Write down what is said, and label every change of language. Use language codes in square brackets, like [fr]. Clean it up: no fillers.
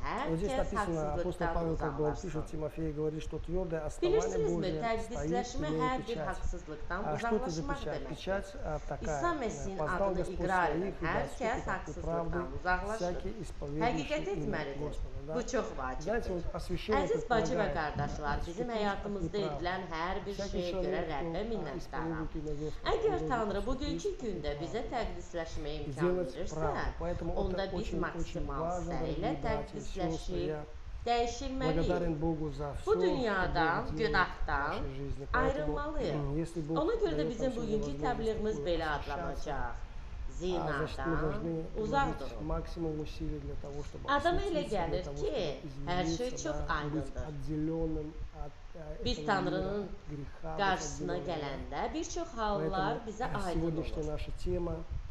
[ru] Вот здесь написано, апостол Павел как бы пишет Тимофею, говорит, что твердое основание Божие стоит, печать. А что это за печать? Печать такая. Познал Господь своих, и доступит акту правды всякий исповедующий Господа. [az] Bu çox vacibdir. Əziz bacı və qardaşlar, bizim həyatımızda edilən hər bir şeyə görə Rəbbə minnətdaram. Əgər Tanrı bugünkü gündə bizə təqdisləşmə imkan verirsə, onda biz maksimal səylə təqdisləşib, dəyişilməliyik. Bu dünyadan, günahdan ayrılmalıyıq. Ona görə də bizim bugünkü təbliğimiz belə adlanacaq. Zinadan uzaq durur. Adama elə gəlir ki, hər şey çox aydındır. Biz Tanrının qarşısına gələndə bir çox hallar bizə aydın olur.